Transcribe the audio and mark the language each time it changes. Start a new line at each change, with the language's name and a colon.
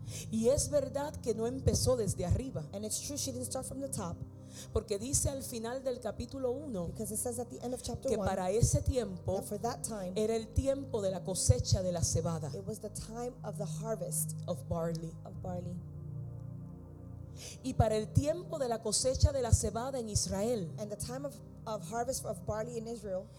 Spanish: Y es verdad que no empezó desde arriba.
English: And it's true she didn't start from the top.
Spanish: Porque dice al final del capítulo 1,
English: because it says at the end of chapter 1,
Spanish: que para ese tiempo,
English: that for that time,
Spanish: era el tiempo de la cosecha de la cebada.
English: It was the time of the harvest of barley. Of barley.
Spanish: Y para el tiempo de la cosecha de la cebada en Israel,
English: and the time of harvest of barley in Israel,